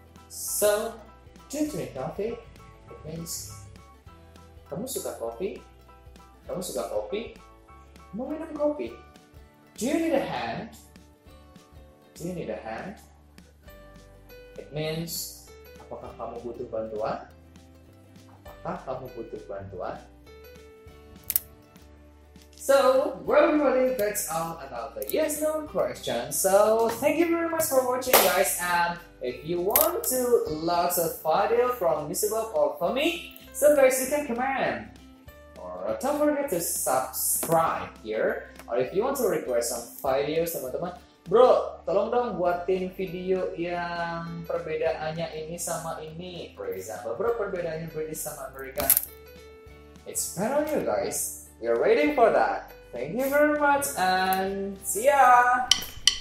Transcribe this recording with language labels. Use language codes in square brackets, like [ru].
[en] So, do you drink coffee? It means, [id] kamu suka kopi? Kamu suka kopi? Mau minum kopi? [en] Do you need a hand? Do you need a hand? It means, [id] apakah kamu butuh bantuan? Apakah kamu butuh bantuan? [en] So, well everybody, that's all about the yes no question. So, thank you very much for watching, guys. And if you want to lots of video from Mr.BOB or from me, so guys, you can comment. Or don't forget to subscribe here. Or if you want to request some videos, teman-teman. [id] Bro, tolong dong buatin video yang perbedaannya ini sama ini. [en] For example, [id] bro, perbedaannya British sama Amerika. [en] It's better on you, guys. We are waiting for that. Thank you very much and see ya!